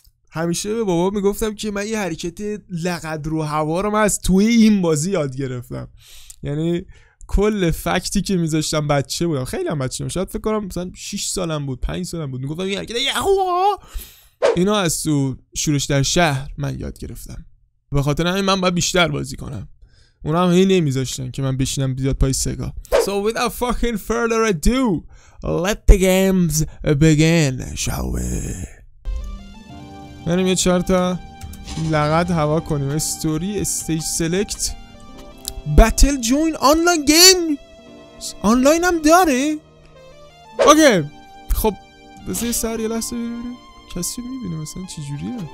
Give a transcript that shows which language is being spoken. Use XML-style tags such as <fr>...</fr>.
<fa>همیشه به بابا میگفتم که من یه حرکت لقد رو هوا رو من از توی این بازی یاد گرفتم، یعنی کل فکتی که میذاشتم بچه بودم، خیلی هم بچه بودم، شاید فکر کنم مثلا 6 سالم بود 5 سالم بود، میگفتم این حرکت یهوا اینا از تو شورش در شهر من یاد گرفتم، به خاطر همین من باید بیشتر بازی کنم. اونا هم هی نمیذاشتن که من بشینم بیاد پای سگا.</fa> <en>So without fucking further ado, let the games begin, shall we?</en> <fa>بریم یه چهار تا لغت هوا کنیم. استوری، استیج سلکت، بتل جوین، آنلاین گیم. آنلاین هم داره؟ اوکی. خب بذار سر یه لحظه ببینیم کسی میبینه مثلا چجوریه.</fa>